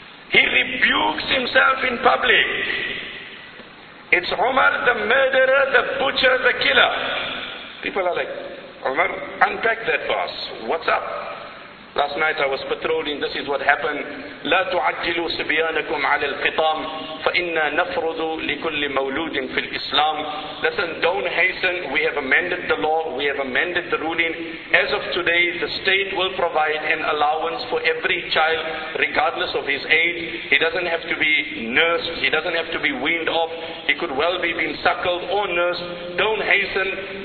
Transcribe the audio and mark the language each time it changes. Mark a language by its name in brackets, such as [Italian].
[English] He rebukes himself in public. It's Umar the murderer, the butcher, the killer. People are like, Umar, unpack that for us. What's up? Last night I was patrolling, this is what happened. [Arabic] لا تعجلوا سبيانكم على القطام فإنا نفرض لكل مولود في الإسلام. [English] Listen, don't hasten. We have amended the law. We have amended the ruling. As of today, the state will provide an allowance for every child, regardless of his age. He doesn't have to be nursed. He doesn't have to be weaned off. He could well be being suckled or nursed. Don't hasten.